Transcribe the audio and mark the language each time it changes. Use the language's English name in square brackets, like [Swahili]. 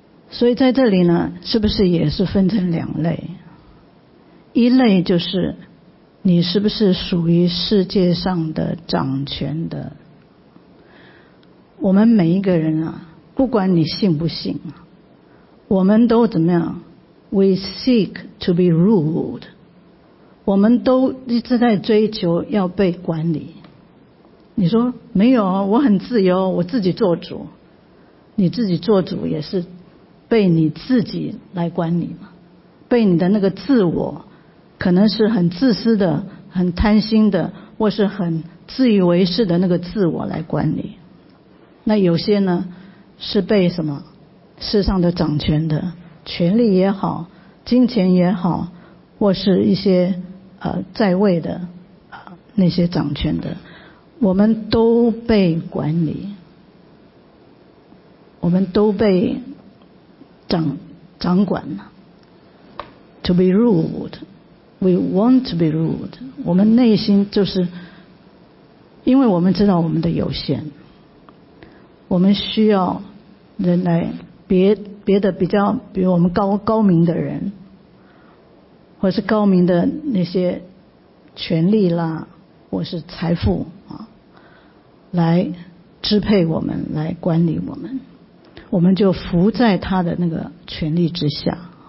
[Chinese] 所以在这里呢，是不是也是分成两类？一类就是你是不是属于世界上的掌权的？我们每一个人啊，不管你信不信啊。我们都怎么样 [English] ？We seek to be ruled. [Chinese] 我们都一直在追求要被管理。你说没有，我很自由，我自己做主。你自己做主也是被你自己来管理嘛？被你的那个自我，可能是很自私的、很贪心的，或是很自以为是的那个自我来管理。那有些呢，是被什么？世上的掌权的权力也好，金钱也好，或是一些在位的那些掌权的，我们都被管理，我们都被掌管了。 [English] To be ruled, we want to be ruled. [Chinese] 我们内心就是，因为我们知道我们的有限，我们需要人来。别的比较，比如我们高明的人，或是高明的那些权力啦，或是财富啊，来支配我们，来管理我们，我们就服在他的那个权力之下。